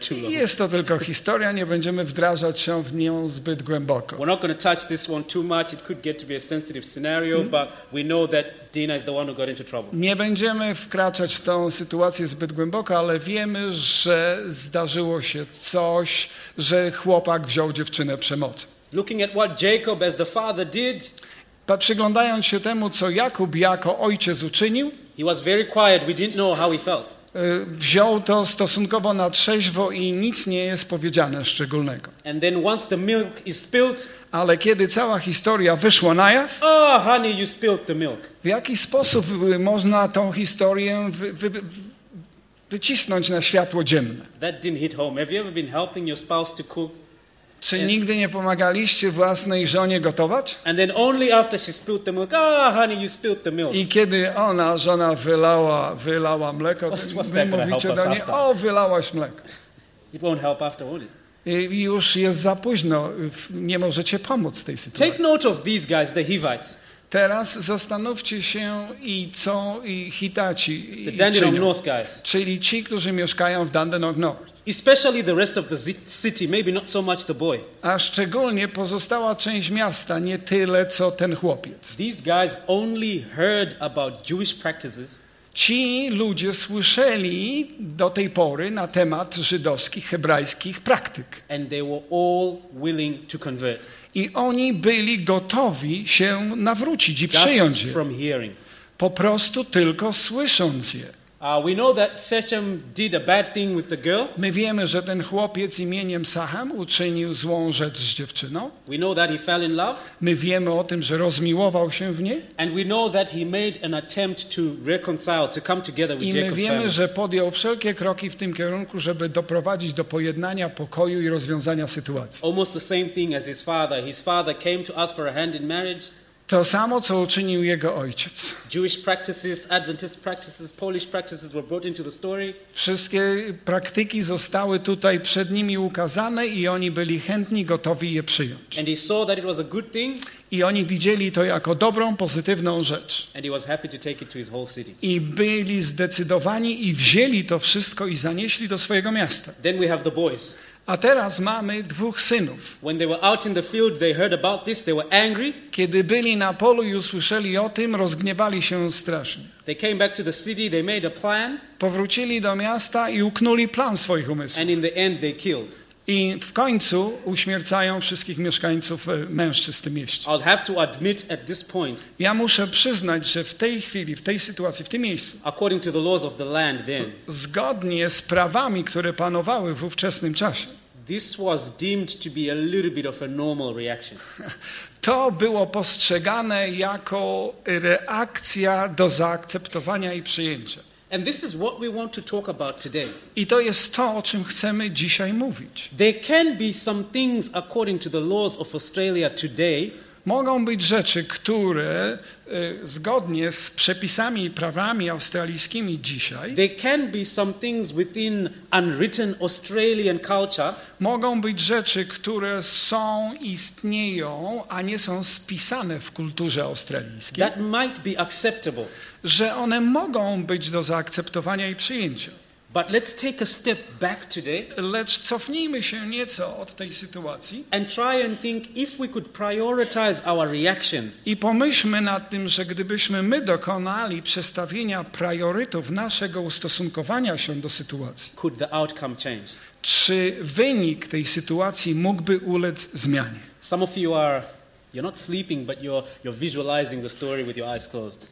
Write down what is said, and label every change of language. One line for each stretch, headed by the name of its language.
Polish: Jest to tylko historia, nie będziemy wdrażać się w nią zbyt głęboko.
English: We're not going to touch this one too much. It could get to be a sensitive scenario, but we know that Dina is the one who got into trouble.
Polish: Nie będziemy wkraczać w tą sytuację zbyt głęboko, ale wiemy, że zdarzyło się coś, że chłopak wziął dziewczynę przemocą.
English: Looking at what Jacob as the father did.
Polish: Przyglądając się temu, co Jakub jako ojciec uczynił,
English: he was very quiet. We didn't know how he felt.
Polish: Wziął to stosunkowo na trzeźwo i nic nie jest powiedziane szczególnego.
English: And then once the milk is spilled,
Polish: ale kiedy cała historia wyszła na jaw,
English: oh, honey, you spilled the milk.
Polish: W jaki sposób można tą historię wycisnąć na światło dzienne?
English: That didn't hit home. Have you ever been helping your spouse to cook?
Polish: Czy nigdy nie pomagaliście własnej żonie gotować?
English: And then only after she spilled the milk. Ah, oh, honey, you spilled the milk.
Polish: I kiedy ona, żona wylała mleko, wy mówicie do niej, o, wylałaś mleko.
English: It won't help after, will it?
Polish: I już jest za późno, nie możecie pomóc tej sytuacji.
English: Take note of these guys, the Hivites.
Polish: Teraz zastanówcie się i co i Hitaci
English: the Dandenong North guys.
Polish: Czyli ci, którzy mieszkają w Dandenong North.
English: Especially the rest of the city, maybe not so much the boy.
Polish: A szczególnie pozostała część miasta, nie tyle co ten chłopiec.
English: These guys only heard about Jewish practices.
Polish: Ci ludzie słyszeli do tej pory na temat żydowskich, hebrajskich praktyk.
English: And they were all willing to convert.
Polish: I oni byli gotowi się nawrócić i przyjąć je.
English: Just from hearing.
Polish: Po prostu tylko słysząc je.
English: We know that Sechem did a bad thing with the girl.
Polish: My wiemy, że ten chłopiec imieniem Sachem uczynił złą rzecz z dziewczyną.
English: We know that he fell in love.
Polish: My wiemy o tym, że rozmiłował się w niej.
English: And we know that he made an attempt to reconcile, to come together with Jacob's family.
Polish: I my wiemy, że podjął wszelkie kroki w tym kierunku, żeby doprowadzić do pojednania, pokoju i rozwiązania sytuacji.
English: Almost the same thing as his father. His father came to ask for a hand in marriage.
Polish: To samo, co uczynił jego ojciec.
English: Jewish practices, Adventist practices, Polish practices were brought into the story.
Polish: Wszystkie praktyki zostały tutaj przed nimi ukazane i oni byli chętni, gotowi je przyjąć.
English: And he saw that it was a good thing.
Polish: I oni widzieli to jako dobrą, pozytywną rzecz.
English: And he was happy to take it to his whole city.
Polish: I byli zdecydowani i wzięli to wszystko i zanieśli do swojego miasta.
English: Then we have the boys.
Polish: A teraz mamy dwóch synów.
English: When they were out in the field, they heard about this, they were angry.
Polish: Kiedy byli na polu i usłyszeli o tym, rozgniewali się strasznie.
English: They came back to the city, they made a plan.
Polish: Powrócili do miasta i uknuli plan swoich umysłów.
English: And in the end they killed.
Polish: I w końcu uśmiercają wszystkich mieszkańców mężczyzn w tym mieście.
English: I'll have to admit at this point.
Polish: Ja muszę przyznać, że w tej chwili, w tej sytuacji, w tym miejscu,
English: according to the laws of the land then,
Polish: zgodnie z prawami, które panowały w ówczesnym czasie,
English: this was deemed to be a little bit of a normal reaction.
Polish: To było postrzegane jako reakcja do zaakceptowania i przyjęcia.
English: And this is what we want to talk about today.
Polish: I to jest to, o czym chcemy dzisiaj mówić.
English: There can be some things according to the laws of Australia today.
Polish: Mogą być rzeczy, które zgodnie z przepisami i prawami australijskimi dzisiaj.
English: There can be some things within unwritten Australian culture.
Polish: Mogą być rzeczy, które są, istnieją, a nie są spisane w kulturze australijskiej.
English: That might be acceptable.
Polish: Że one mogą być do zaakceptowania i przyjęcia.
English: But let's take a step back today.
Polish: Lecz cofnijmy się nieco od tej sytuacji.
English: And try and think if we could prioritize our reactions.
Polish: I pomyślmy nad tym, że gdybyśmy my dokonali przestawienia priorytetów naszego ustosunkowania się do sytuacji.
English: Could the outcome change?
Polish: Czy wynik tej sytuacji mógłby ulec zmianie?
English: Some of you are you're not sleeping, but you're visualizing the story with your eyes closed.